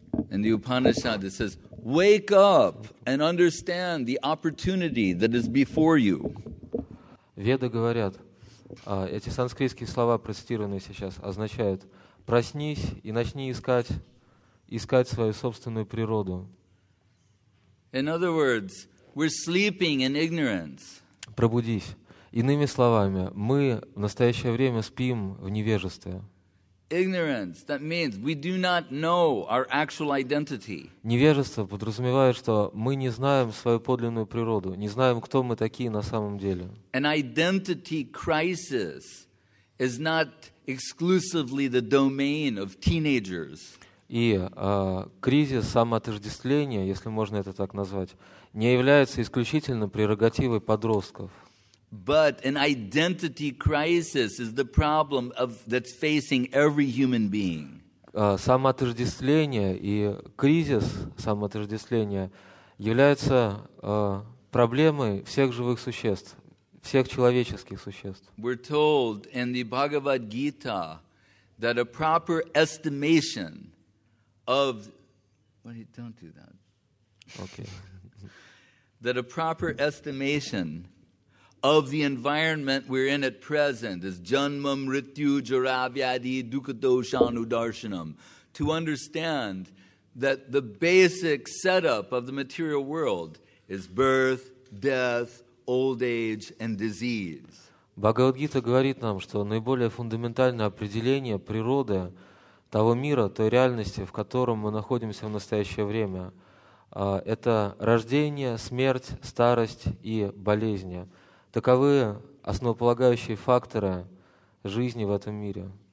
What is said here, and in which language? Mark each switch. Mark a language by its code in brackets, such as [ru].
[en] In the Upanishad, it says, wake up and understand the opportunity that is before you. [ru] Веды говорят, эти санскритские слова, процитированные сейчас, означают, проснись и начни искать свою собственную природу. [en] In other words, we're sleeping in ignorance. [ru] Пробудись. Иными словами, мы в настоящее время спим в невежестве. [en] Ignorance, that means we do not know our actual identity. [ru] Невежество подразумевает, что мы не знаем свою подлинную природу, не знаем, кто мы такие на самом деле. [en] An identity crisis is not exclusively the domain of teenagers. [ru] И кризис самоотождествления, если можно это так назвать, не является исключительно прерогативой подростков. [en] But an identity crisis is the problem that's facing every human being. [ru] Самоотождествление и кризис самоотождествления являются проблемой всех живых существ, всех человеческих существ. [en] We're told in the Bhagavad Gita that a proper estimation of... Wait, don't do that. Okay. That a proper estimation of the environment we're in at present is [sa] janma mrityu jara vyadhi dukhadoshanu darshanam. [en] To understand that the basic setup of the material world is birth, death, old age and disease. [ru] Бхагавад-гита говорит нам, что наиболее фундаментальное определение природы того мира, той реальности, в котором мы находимся в настоящее время, это рождение, смерть, старость и болезни. Таковы основополагающие факторы жизни в этом мире.